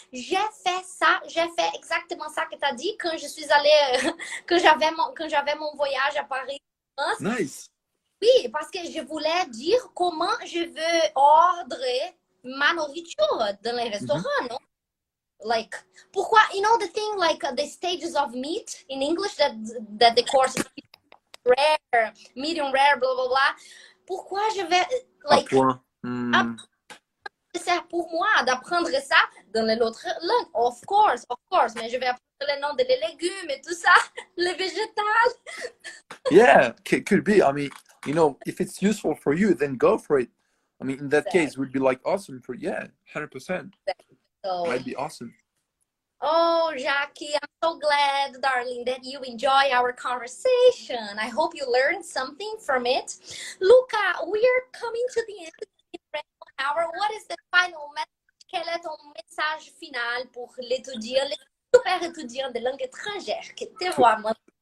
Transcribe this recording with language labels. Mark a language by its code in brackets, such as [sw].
[fr] J'ai fait exactement ça que tu as dit quand je suis allée, quand j'avais mon voyage à Paris. [en] Nice. [fr] Oui, parce que je voulais dire comment je veux ordre ma nourriture dans les restaurants, mm-hmm. non? [en] Like, pourquoi, you know the thing, like the stages of meat in English that the course is rare, medium rare, blah, blah, blah. [fr] Pourquoi je vais, like, c'est pour moi d'apprendre ça dans l'autre langue. [en] Of course, [fr] mais je vais apprendre le nom des légumes et tout ça, les végétales. [en] Yeah, it could be. I mean, you know, if it's useful for you, then go for it. I mean, in that case, it would be like awesome for, 100%. That'd be awesome. Oh, Jackie, I'm so glad, darling, that you enjoy our conversation. I hope you learned something from it. Luca, we are coming to the end of the hour. What is the final message? [fr] Quel est ton message final pour l'étudiant, le super étudiant de langue étrangère que tu vois moi?